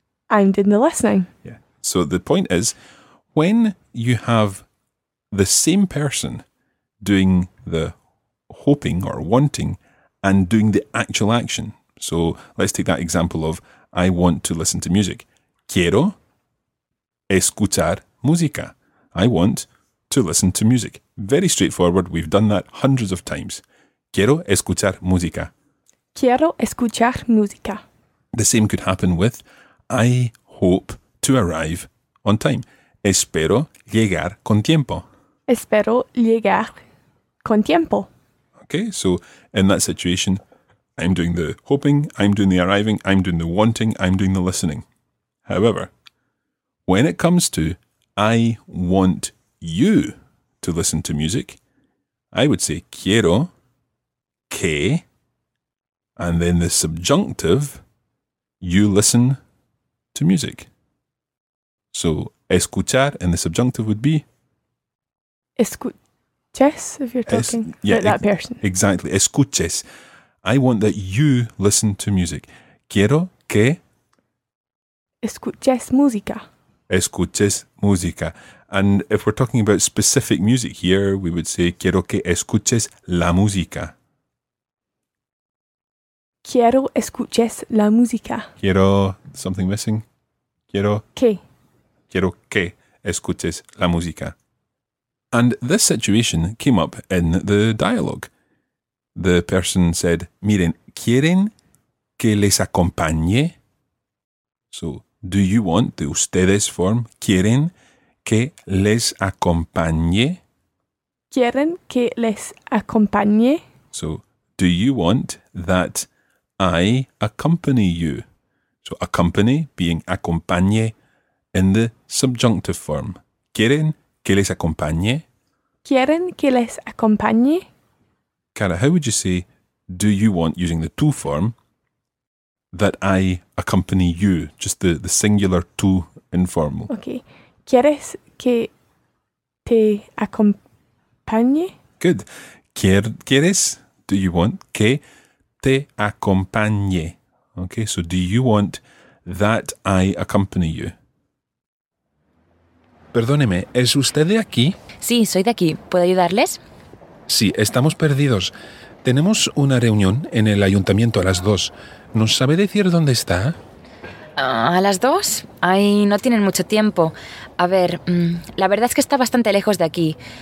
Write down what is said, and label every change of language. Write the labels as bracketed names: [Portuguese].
[English] I'm doing the listening. Yeah. So the point is, when you have the same person doing the hoping or wanting and doing the actual action. So let's take that example of I want to listen to music. [Spanish] Quiero escuchar música. [English] I want to listen to music. Very straightforward. We've done that hundreds of times. [Spanish] Quiero escuchar música. Quiero escuchar música. [English] The same could happen with I hope to arrive on time. [Spanish] Espero llegar con tiempo. Espero llegar con tiempo. [English] Okay, so in that situation, I'm doing the hoping, I'm doing the arriving, I'm doing the wanting, I'm doing the listening. However, when it comes to I want you to listen to music, I would say quiero que, and then the subjunctive, you listen to music. So escuchar in the subjunctive would be escuches, if you're talking about that person. Exactly, escuches. I want that you listen to music. [Spanish] Quiero que escuches música. [English] Escuches música. And if we're talking about specific music here, we would say quiero que escuches la música. [Spanish] Quiero escuches la música. [English] Quiero, something missing? [Spanish] Quiero que. Quiero que escuches la música. [English] And this situation came up in the dialogue. [Spanish] The person said, miren, ¿quieren que les acompañe? [English] So, do you want the ustedes form? ¿Quieren que les acompañe? [Spanish] ¿Quieren que les acompañe? [English] So, do you want that I accompany you? So, accompany being acompañe in the subjunctive form. [Spanish] ¿Quieren que les acompañe? ¿Quieren que les acompañe? [English] Cara, how would you say, do you want, using the tú form, that I accompany you? Just the singular tú informal. Okay. [Spanish] ¿Quieres que te acompañe? [English] Good. [Spanish] ¿Quieres, do you want, que te acompañe? [English] Okay, so do you want that I accompany you? [Spanish] Perdóneme, ¿es usted de aquí? Sí, soy de aquí. ¿Puedo ayudarles? Sí, estamos perdidos. Tenemos una reunión en el ayuntamiento a las 2. ¿Nos sabe decir dónde está? ¿A las 2? Ay, no tienen mucho tiempo. A ver, la verdad es que está bastante lejos de aquí.